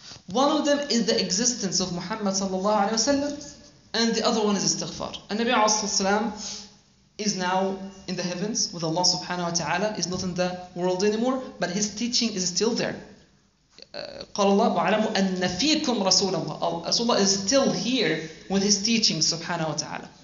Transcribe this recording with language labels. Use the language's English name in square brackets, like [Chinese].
[English] One of them is the existence of Muhammad sallallahu alayhi wa sallam, and the other one is istighfar. And Nabi al-Salam is now in the heavens with Allah subhanahu wa ta'ala. He's not in the world anymore, but his teaching is still there. [Arabic] قال الله وعلموا أن فيكم رسول الله. [English] Rasulullah is still here with his teaching, subhanahu wa ta'ala.